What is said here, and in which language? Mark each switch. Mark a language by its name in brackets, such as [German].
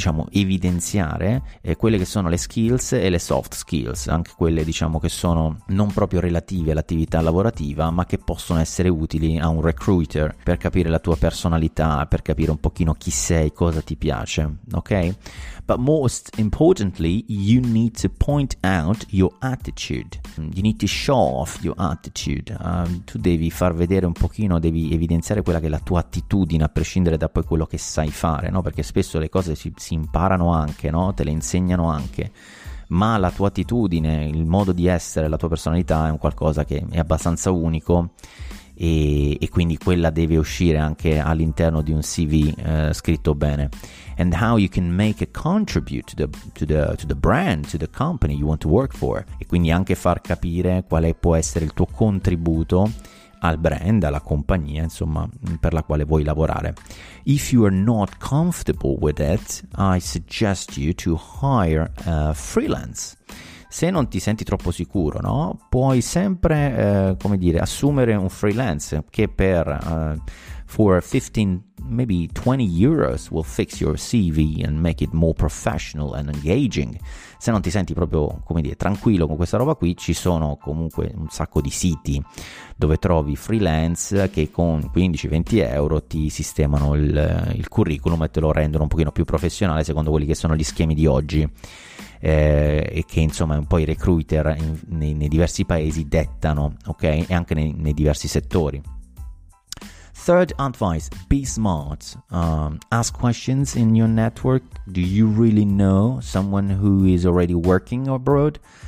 [Italian] evidenziare quelle che sono le skills e le soft skills, anche quelle che sono non proprio relative all'attività lavorativa ma che possono essere utili a un recruiter per capire la tua personalità, per capire un pochino chi sei, cosa ti piace, ok? [English] But most importantly, you need to point out your attitude. You need to show off your attitude. [Italian] Tu devi far vedere un pochino, devi evidenziare quella che è la tua attitudine, a prescindere da poi quello che sai fare, no? Perché spesso le cose si imparano anche, no? Te le insegnano anche. Ma la tua attitudine, il modo di essere, la tua personalità è un qualcosa che è abbastanza unico. E quindi quella deve uscire anche all'interno di un CV scritto bene. [English] And how you can make a contribute to the brand, to the company you want to work for. [Italian] E quindi anche far capire quale può essere il tuo contributo al brand, alla compagnia, per la quale vuoi lavorare. [English] If you are not comfortable with it, I suggest you to hire a freelance. [Italian] Se non ti senti troppo sicuro, no? Puoi sempre, assumere un freelance che per [English] for 15, maybe 20 euros will fix your CV and make it more professional and engaging. [Italian] Se non ti senti proprio, tranquillo con questa roba qui, ci sono comunque un sacco di siti dove trovi freelance che con 15-20 euro ti sistemano il curriculum e te lo rendono un pochino più professionale secondo quelli che sono gli schemi di oggi. E che poi i recruiter nei diversi paesi dettano, ok? E anche nei diversi settori. [English] Third advice, be smart. Ask questions in your network. Do you really know someone who is already working abroad?